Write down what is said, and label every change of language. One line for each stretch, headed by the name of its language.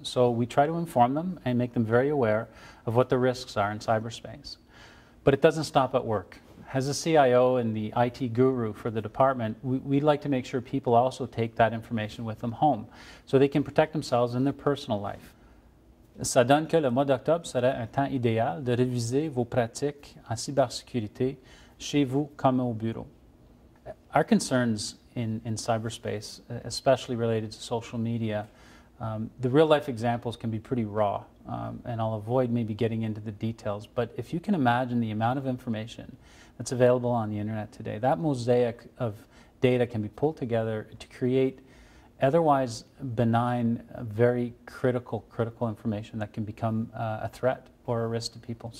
English: So we try to inform them and make them very aware of what the risks are in cyberspace. But it doesn't stop at work. As a CIO and the IT guru for the department, we'd like to make sure people also take that information with them home so they can protect themselves in their personal life.
French: Ça donne que le mois d'octobre serait un temps idéal de réviser vos pratiques en cybersécurité chez vous comme au bureau.
English: Our concerns in cyberspace, especially related to social media, the real-life examples can be pretty raw, and I'll avoid maybe getting into the details, but if you can imagine the amount of information that's available on the internet today, that mosaic of data can be pulled together to create otherwise benign, very critical information that can become a threat or a risk to people.